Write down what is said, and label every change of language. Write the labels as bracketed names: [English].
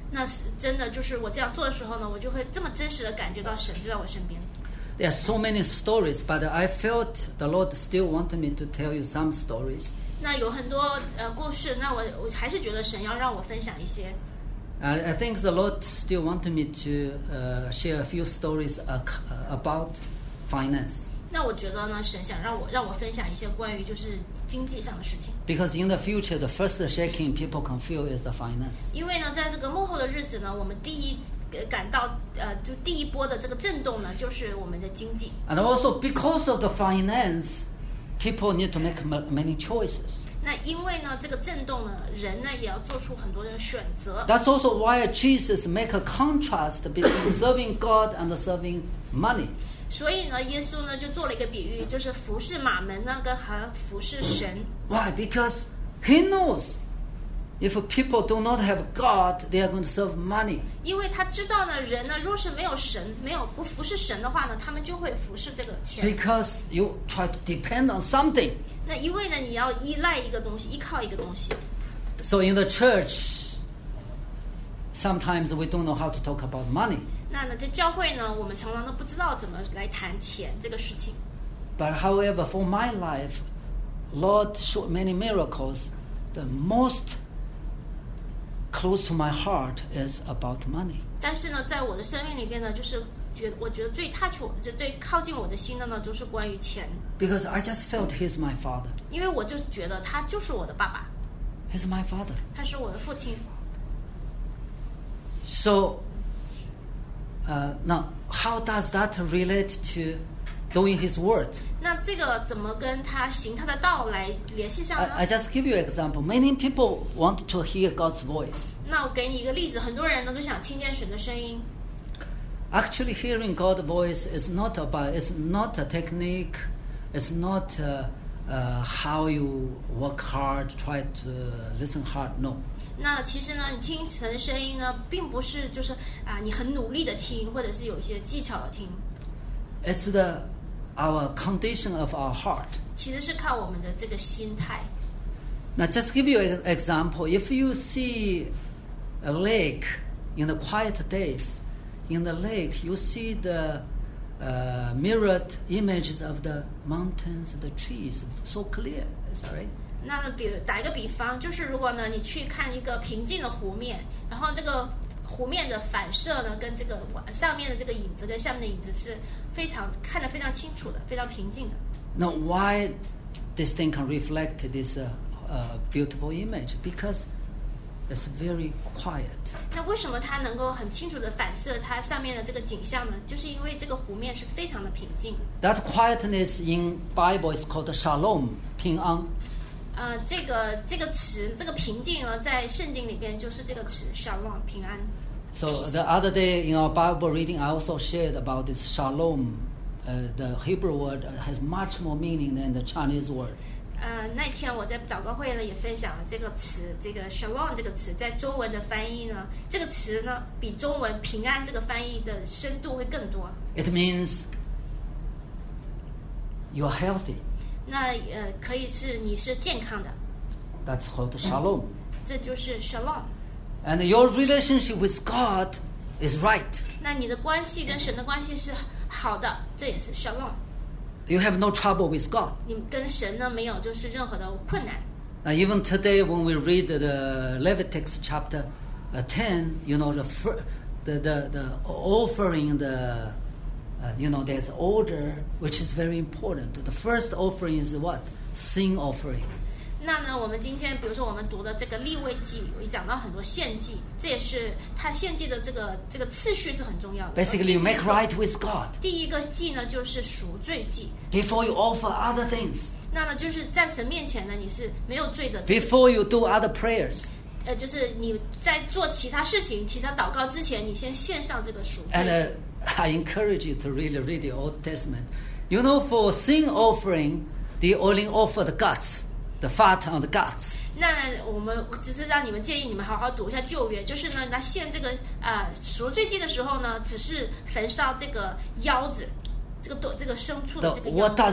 [Chinese] 那是真的，就是我这样做的时候呢，我就会这么真实的感觉到神就在我身边。 [English] There are so many stories, but I felt the Lord still wanted me to tell you some stories. [Chinese] 那有很多故事，那我还是觉得神要让我分享一些。 [English] I think the Lord still wanted me to share a few stories about finance. [Chinese] 那我觉得呢，神想让我分享一些关于就是经济上的事情。 [English] Because in the future, the first shaking people can feel is the finance. [Chinese] 因为呢，在这个幕后的日子呢，我们第一感到就第一波的这个震动呢，就是我们的经济。 [English] And also because of the finance, people need to make many choices. [Chinese] 那因为呢，这个震动呢，人呢也要做出很多的选择。 [English] That's also why Jesus make a contrast between serving God and serving money. [Chinese] 所以呢，耶稣呢就做了一个比喻，就是服侍马门那个和服侍神。 [English] Why? Because he knows if people do not have God, they are going to serve money. [Chinese] 因为他知道呢，人呢若是没有神，没有不服侍神的话呢，他们就会服侍这个钱。 [English] Because you try to depend on something. [Chinese] 那因为呢，你要依赖一个东西，依靠一个东西。 [English] So in the church, sometimes we don't know how to talk about money. [Chinese] 那呢，在教会呢，我们常常都不知道怎么来谈钱这个事情。 [English] But however, for my life, Lord showed many miracles. The most close to my heart is about money. [Chinese] 但是呢，在我的生命里边呢，就是我觉得最 touch 我，就最靠近我的心的呢，就是关于钱。 [English] Because I just felt he's my father. [Chinese] 因为我就觉得他就是我的爸爸。 [English] He's my father. [Chinese] 他是我的父亲。 [English] So, now how does that relate to doing His word? [Chinese] 那这个怎么跟他行他的道来联系上呢 [English] ？I just give you an example. Many people want to hear God's voice. [Chinese] 那我给你一个例子，很多人呢都想听见神的声音。 [English] Actually, hearing God's voice is not about. It's not a technique. It's not how you work hard, try to listen hard. No. [Chinese] 那其实呢，你听神的声音呢，并不是就是啊，你很努力的听，或者是有一些技巧的听。 [English] It's the our condition of our heart. [Chinese] 其实是靠我们的这个心态。 [English] Now just give you an example. If you see a lake in the quiet days, in the lake you see the mirrored images of the mountains, the trees, so clear. Sorry. [Chinese] 那比打一个比方，就是如果呢，你去看一个平静的湖面，然后这个湖面的反射呢，跟这个上面的这个影子跟下面的影子是非常看得非常清楚的，非常平静的。 [English] Now why this thing can reflect this beautiful image? Because it's very quiet. [Chinese] 那为什么它能够很清楚的反射它上面的这个景象呢？就是因为这个湖面是非常的平静。 [English] That quietness in Bible is called shalom, 平安。 [Chinese] 这个词，这个平静呢，在圣经里边就是这个词 shalom 平安。 [English] So the other day in our Bible reading, I also shared about this shalom. The Hebrew word has much more meaning than the Chinese word. [Chinese] 那天我在祷告会呢，也分享了这个词，这个 shalom 这个词在中文的翻译呢，这个词呢比中文平安这个翻译的深度会更多。 [English] It means you are healthy. [Chinese] 那可以是你是健康的。 [English] That's called shalom. [Chinese] 这就是 shalom. [English] And your relationship with God is right. [Chinese] 那你的关系跟神的关系是好的，这也是 shalom. [English] You have no trouble with God. [Chinese] 你跟神呢没有就是任何的困难。 [English] Now even today when we read the Leviticus chapter 10, you know the offering the. You know, there's order, which is very important. The first offering is what? Sin offering. [Chinese] 那呢，我们今天比如说我们读的这个立位记，讲到很多献祭，这也是他献祭的这个次序是很重要的。 [English] Basically, you make right with God. [Chinese] 第一个祭呢，就是赎罪祭。 [English] Before you offer other things. [Chinese] 那呢，就是在神面前呢，你是没有罪的。 [English] Before you do other prayers. [Chinese] 就是你在做其他事情、其他祷告之前，你先献上这个赎罪祭。 [English] I encourage you to really read the Old Testament. You know, for sin offering, the only offer the guts, the fat on the guts. [Chinese] 那我们只是让你们建议你们好好读一下旧约，就是呢，他献这个赎罪祭的时候呢，只是焚烧这个腰子，这个牲畜的这个腰子。